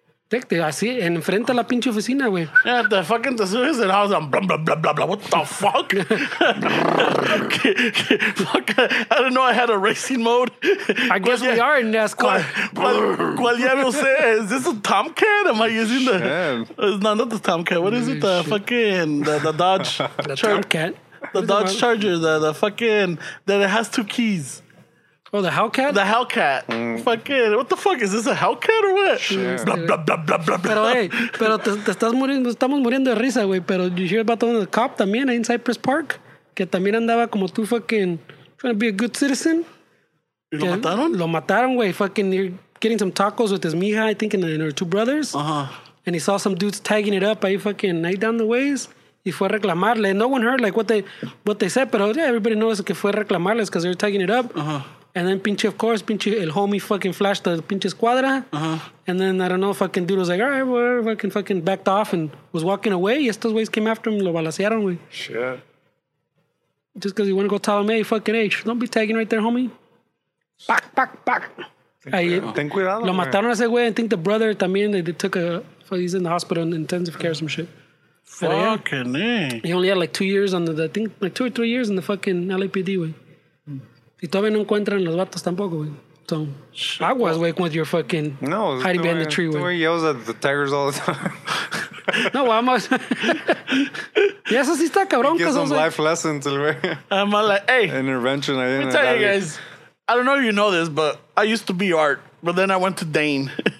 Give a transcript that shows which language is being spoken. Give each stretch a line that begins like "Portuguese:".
Spanish: Tecte, así, en frente a la pinche oficina, wey.
English: Yeah, the fucking
Spanish: te subes
English: and I was like, blah, blah, blah, blah, blah. What the fuck? Fuck, I don't know. I had a racing mode. I guess we are in NASCAR.
Spanish: ¿Cuál ya no sé?
English: Is this a Tomcat? Am I using the... It's not the Tomcat. What is it? The fucking... The Dodge... The Tomcat? The Dodge Charger. The fucking... That it has two keys. Oh, the Hellcat? The Hellcat. Mm. Fucking, what the fuck? Is this a Hellcat or what? Sure. Blah, blah, blah, blah, blah, blah.
Spanish: Pero, hey, pero te estás muriendo, estamos muriendo de risa, güey.
English: Pero you hear about the cop también in Cypress Park?
Spanish: Que también andaba como tú
English: fucking trying to be a good citizen.
Spanish: ¿Y lo mataron? Lo mataron, güey.
English: Fucking, you're getting some tacos with his mija, I think, and her two brothers. Uh-huh. And he saw some dudes tagging it up.
Spanish: Ahí
English: fucking, night down the ways.
Spanish: Y fue a reclamarle.
English: No one heard, like, what they said. Pero, yeah, everybody knows
Spanish: que fue a reclamarles
English: because they were tagging it up. Uh-huh. And then pinche, of course, pinche, el homie fucking flashed the pinche escuadra. Uh-huh. And then, I don't know, fucking dude was like, all right, whatever, fucking backed off and was walking away.
Spanish: Y estos güeyes
English: came after him,
Spanish: lo balacearon, güey.
English: Shit. Just because you want to go tell him, hey, fucking H, don't be tagging right there, homie. Pack, pack, pack.
Spanish: Ten cuidado.
English: Lo mataron a ese güey. I think the brother
Spanish: también,
English: they took he's in the hospital in intensive care, some shit. Fucking He only had like 2 years under the, I think, like 2 or 3 years in the fucking LAPD, güey.
Spanish: Y todavía no encuentran los vatos tampoco, güey.
English: So,
Spanish: aguas,
English: güey, with your fucking hiding behind the tree, güey. The way he yells at the tigers all the time.
Spanish: No, vamos. Y eso sí está cabrón.
English: Gives them life lessons, güey. I'm like, hey. Intervention. Let me tell you guys. I don't know if you know this, but I used to be art. But then I went to Dane.